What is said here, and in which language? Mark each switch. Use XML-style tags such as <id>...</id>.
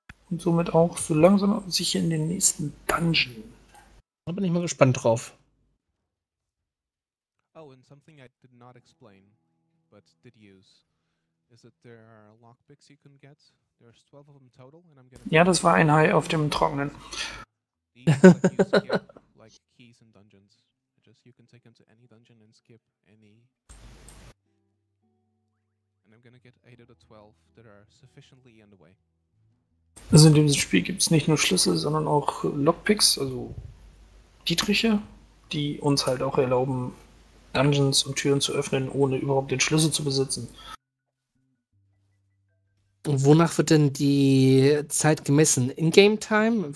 <de>Und somit auch so langsam und sicher in den nächsten Dungeon. Da bin ich mal gespannt drauf.</de> <en>Oh, und something I did not explain, but did use. Is that there are lockpicks you can get? There's 12 of them total, and I'm getting.</en> <de>Ja, das war ein Hai auf dem Trockenen.</de> <en>Like keys in dungeons. Just you can take them to any dungeon and skip any. And I'm gonna get 8 of the 12 that are sufficiently in the way.</en> <de>Also in diesem Spiel gibt's nicht nur Schlüssel, sondern auch Lockpicks, also Dietriche, die uns halt auch erlauben, Dungeons und Türen zu öffnen, ohne überhaupt den Schlüssel zu besitzen. Und wonach wird denn die Zeit gemessen? In-Game-Time?</de>